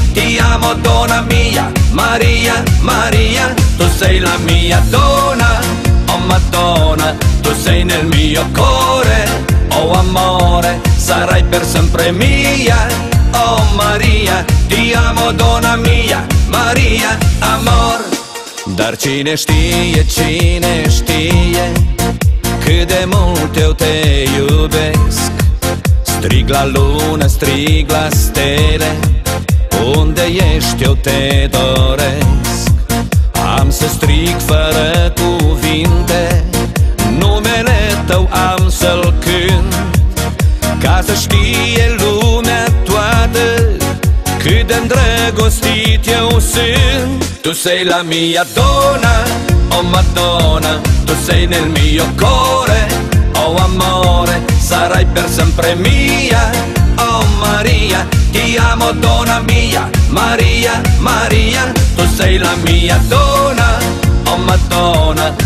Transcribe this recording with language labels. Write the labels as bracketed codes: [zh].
[it] Ti amo donna mia, Maria, Maria. Tu sei la mia donna, oh Madonna. Tu sei nel mio cuore, oh amore. Sarai per sempre mia, oh Maria. Ti amo donna mia, Maria, amor. [ro] Dar cinestie, cinestie, cât de mult eu te iubesc. Strig la lună, strig la stele, unde ești eu te doresc. Am să strig fără cuvinte, numele tău am să-l cânt, ca să știe lumea toată cât de-ndrăgostit eu sunt. [it] Tu sei la mia donna, oh Madonna. Tu sei nel mio cuore, oh amore. Sarai per sempre mia, oh Maria. Ti amo donna mia, Maria, Maria. Tu sei la mia donna, oh Madonna.